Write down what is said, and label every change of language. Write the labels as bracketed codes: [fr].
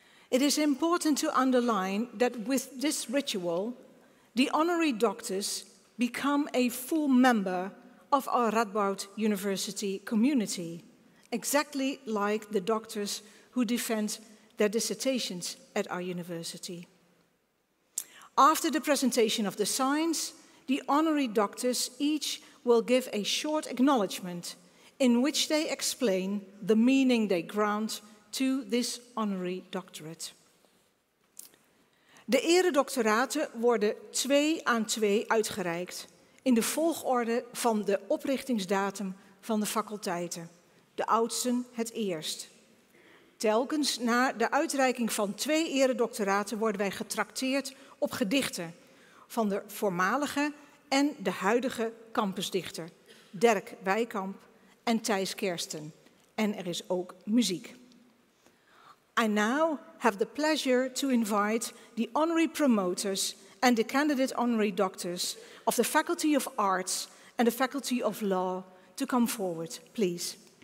[en] It is important to underline that with this ritual, the honorary doctors become a full member of our Radboud University community, exactly like the doctors who defend their dissertations at our university. After the presentation of the signs, the honorary doctors each will give a short acknowledgement in which they explain the meaning they grant to this honorary doctorate. [nl] De eredoctoraten worden twee aan twee uitgereikt in de volgorde van de oprichtingsdatum van de faculteiten, de oudsten het eerst. Telkens na de uitreiking van twee eredoctoraten worden wij getrakteerd op gedichten van de voormalige en de huidige campusdichter Derk Wijkamp en Thijs Kersten. En er is ook muziek. [en] I now have the pleasure to invite the honorary promoters and the candidate honorary doctors of the Faculty of Arts and the Faculty of Law to come forward, please.